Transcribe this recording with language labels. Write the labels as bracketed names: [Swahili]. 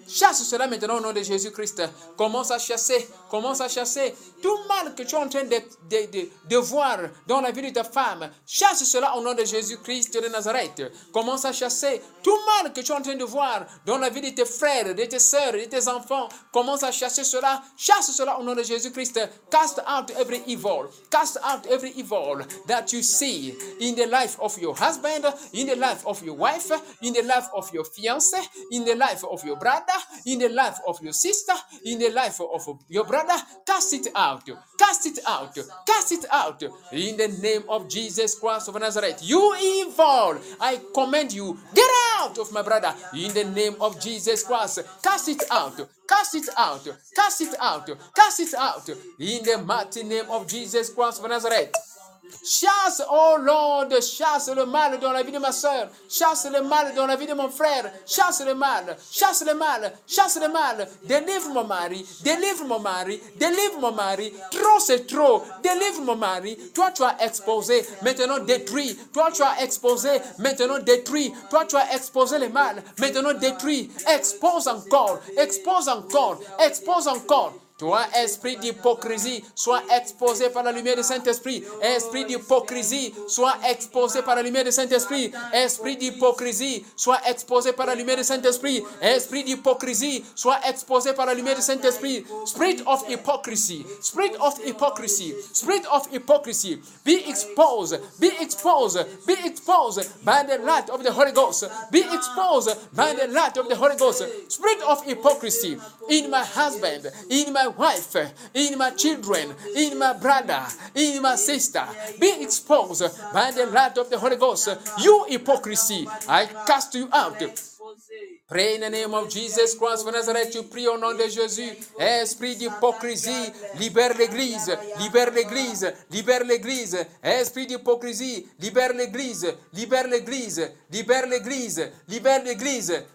[French] Chasse cela maintenant au nom de Jésus-Christ. Commence à chasser tout mal que tu es en train de voir dans la vie de ta femme. Chasse cela au nom de Jésus-Christ de Nazareth. Commence à chasser tout mal que tu es en train de voir dans la vie de tes frères, de tes sœurs, de tes enfants. Commence à chasser cela. Chasse cela au nom de Jésus-Christ. [English] Cast out every evil. Cast out every evil that you see in the life of your husband, in the life of your wife, in the life of your fiancé, in the life of your brother, in the life of your sister, in the life of your brother. Cast it out. Cast it out. Cast it out. In the name of Jesus Christ of Nazareth. You evil, I command you, get out of my brother. In the name of Jesus Christ. Cast it out. Cast it out. Cast it out. Cast it out. In the mighty name of Jesus Christ of Nazareth. [French] Chasse, [English] oh Lord, [French] chasse le mal dans la vie de ma soeur, chasse le mal dans la vie de mon frère, chasse le mal, chasse le mal, chasse le mal, délivre mon mari, délivre mon mari, délivre mon mari, trop c'est trop, délivre mon mari, toi tu as exposé, maintenant détruit, toi tu as exposé, maintenant détruit, toi tu as exposé le mal, maintenant détruit, expose encore, expose encore, expose encore. Toi, esprit d'hypocrisie, sois exposé par la lumière du Saint-Esprit. Esprit d'hypocrisie, sois exposé par la lumière du Saint-Esprit. Esprit d'hypocrisie, sois exposé par la lumière du Saint-Esprit. Esprit d'hypocrisie, sois exposé par la lumière du Saint-Esprit. [English] Spirit of hypocrisy, spirit of hypocrisy, spirit of hypocrisy. Be exposed, be exposed, be exposed by the light of the Holy Ghost. Be exposed by the light of the Holy Ghost. Spirit of hypocrisy in my husband, in my wife, in my children, in my brother, in my sister. Be exposed by the light of the Holy Ghost. You hypocrisy, I cast you out. Pray in the name of Jesus Christ of Nazareth. [French] Tu pries au nom de Jésus. Esprit d'hypocrisie, libère l'église, libère l'église, libère l'église. Esprit d'hypocrisie, libère l'église, libère l'église, libère l'église, libère l'église.